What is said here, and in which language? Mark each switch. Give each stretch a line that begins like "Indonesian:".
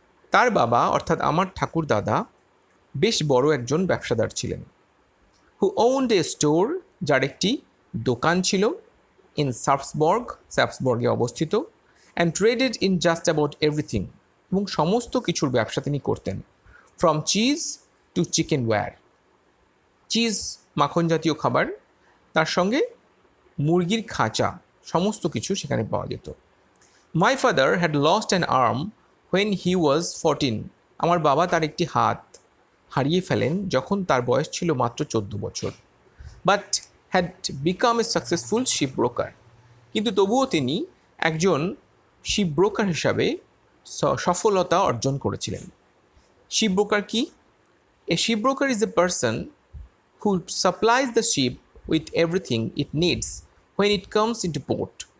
Bangla: তার বাবা অর্থাৎ আমার ঠাকুর দাদা বেশ বড় একজন ব্যবসাদার ছিলেন।
English: who owned a store,
Bangla: যার একটি দোকান ছিল
English: in Sarpsborg,
Bangla: সার্পসবর্গে অবস্থিত,
English: and traded in just about everything,
Bangla: এবং সমস্ত কিছুর ব্যবসা তিনি করতেন।
English: From cheese to chickenware.
Bangla: Cheese, মাখন জাতীয় খাবার, তার সঙ্গে মুরগির খাঁচা, সমস্ত কিছু সেখানে পাওয়া যেত।
English: My father had lost an arm when he was 14.
Bangla: আমার বাবা তার একটি হাত হারিয়ে ফেলেন যখন তার বয়স ছিল মাত্র 14 বছর।
English: But had become a successful ship broker.
Bangla: কিন্তু তবুও তিনি একজন ship broker হিসাবে সফলতা অর্জন করেছিলেন। Ship broker key?
English: A ship broker is a person who supplies the ship with everything it needs when it comes in to port.